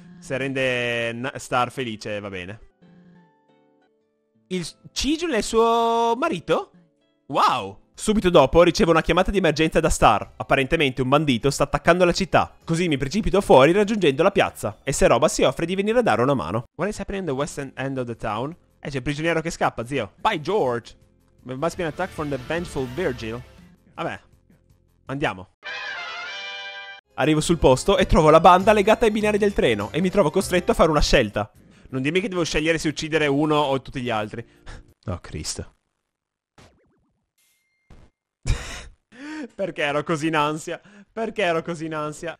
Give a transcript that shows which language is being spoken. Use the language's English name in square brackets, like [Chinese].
[Italian] Se rende Star felice, va bene. Il Cijun è suo marito? Wow! Subito dopo ricevo una chiamata di emergenza da Star. Apparentemente un bandito sta attaccando la città. Così mi precipito fuori raggiungendo la piazza. E Seroba si offre di venire a dare una mano. [English] What is happening in the western end of the town? [Italian] C'è il prigioniero che scappa, zio. [English] By George! There must be an attack from the vengeful Virgil. [Italian] Vabbè. Andiamo. Arrivo sul posto e trovo la banda legata ai binari del treno e mi trovo costretto a fare una scelta. Non dimmi che devo scegliere se uccidere uno o tutti gli altri. Oh, Cristo. Perché ero così in ansia? Perché ero così in ansia?